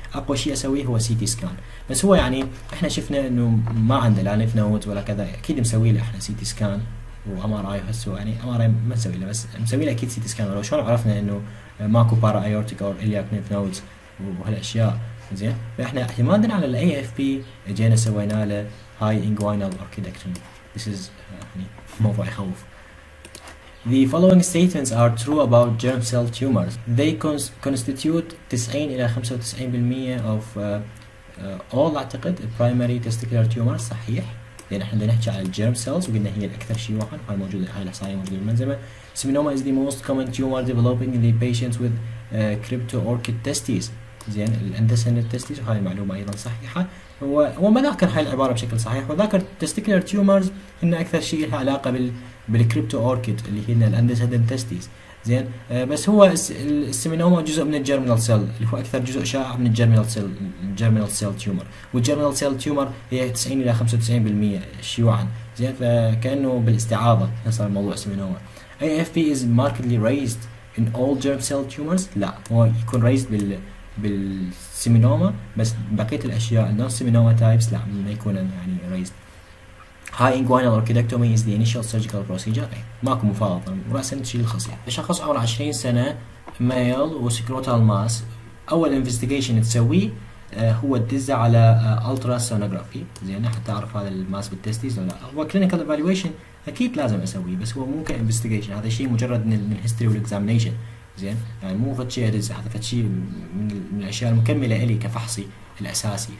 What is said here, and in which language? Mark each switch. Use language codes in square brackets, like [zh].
[ar] اقوى شيء اسويه هو سي تي سكان، بس هو يعني احنا شفنا انه ما عنده لا ليمف نود ولا كذا، اكيد مسوي له احنا سي تي سكان وام ار اي. هسه يعني ام ار اي ما نسوي له، بس مسوي له اكيد سي تي سكان. ولو شلون عرفنا انه ماكو بارا ايورتيك او الياك ليمف نودز وهالاشياء زين؟ فاحنا اعتمادا على الاي اف بي اجينا سوينا له هاي انجواينال اوركيدكتومي. [en] This is [ar] موضوع يخوف. [en] The following statements are true about germ cell tumors. They constitute 90-95% of all أعتقد primary testicular tumors. صحيح. [ar] لأن إحنا نحكي على germ cells وقلنا هي الأكثر شيوعا، هاي موجودة هاي الإحصائية موجودة بالمنظمة. [en] Seminoma is the most common tumor developing in the patients with cryptorchid testes. [ar] زين الأندسن التستيس، وهاي المعلومة أيضا صحيحة. وما ذكر هاي العبارة بشكل صحيح، وذكر testicular tumors إن أكثر شيء لها علاقة بالكريبتو أوركيد اللي هي الأندسن تستيس زين. بس هو السيمينوما جزء من الجيرمينال سيل اللي هو أكثر جزء شائع من الجيرمينال سيل، الجيرمينال سيل تيومر، والجيرمينال سيل تيومر هي 90-95% شيوعا زين. فكأنه بالاستعاضة صار الموضوع سيمينوما. [en] AFP is markedly raised in all germ cell tumors. [ar] لا هو يكون raised بالسيمينوما، بس بقية الأشياء النون سيمينوما تايبس لا ما يكون يعني raised. [en] High inguinal orchidectomy is the initial surgical procedure. [ar] ماكو مفاوضة، رأسا تشيل الخصية. شخص عمر 20 سنة male وسكروتال ماس، أول investigation تسوي هو تدزه على ultrasonography زين حتى أعرف هذا الماس بالتستيس ولا لا. هو clinical evaluation أكيد لازم أسويه، بس هو مو كinvestigation، هذا شيء مجرد من الهيستوري والexamination زين، يعني مو فد شيء أدزه، هذا فد شيء من الأشياء المكملة إلي كفحصي الأساسي.